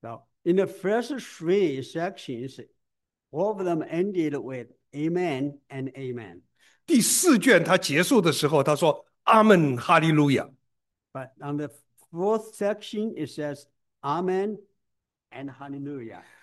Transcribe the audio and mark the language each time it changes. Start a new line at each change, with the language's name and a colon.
English: Now, in the first three sections, all of them ended with Amen and Amen.
Chinese: 第四卷它结束的时候，他说"阿门，哈利路亚"。
English: But on the fourth section, it says Amen and Hallelujah.